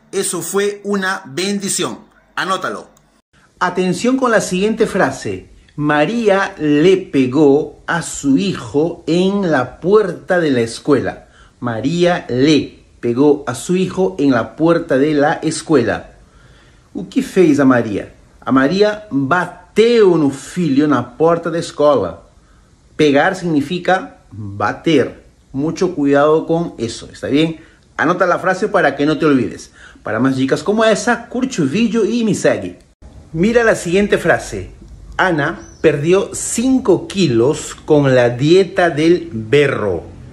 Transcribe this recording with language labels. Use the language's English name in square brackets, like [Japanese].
[Spanish] Eso fue una bendición. Anótalo. Atención con la siguiente frase. María le pegó a su hijo en la puerta de la escuela. María le pegó a su hijo en la puerta de la escuela. [Portuguese] ¿Qué fez a María? A María bateu no filho na porta da escola. Pegar significa bater. [Spanish] Mucho cuidado con eso, ¿está bien? Anota la frase para que no te olvides. Para más dicas como esa, curte el video y me sigue. Mira la siguiente frase. Ana perdió 5 kilos con la dieta del berro.